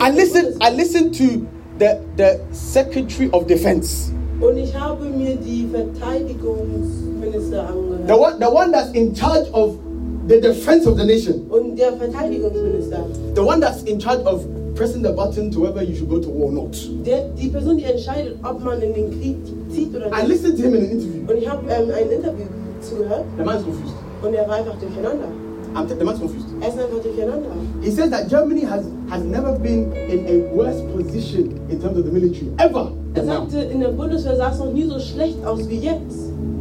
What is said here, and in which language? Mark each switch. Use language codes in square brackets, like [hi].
[en] I listen to the Secretary of Defense. [de] Und ich habe mir die Verteidigungsminister angehört. [en] The one that's in charge of the defense of the nation. [de] Und der Verteidigungsminister. [en] The one that's in charge of pressing the button to whether you should go to war or not. [de] Die Person, die entscheidet, ob man in den Krieg zieht oder nicht. [en] I listened to him in an interview. [de] Und ich habe ein Interview zugehört. [en] The man is confused. [de] Und war einfach durcheinander. [en] The man's confused. [de] Er ist einfach durcheinander. [en] He says that Germany has never been in a worse position in terms of the military ever. [de] Er sagte, in der Bundeswehr sah es noch nie so schlecht aus wie jetzt.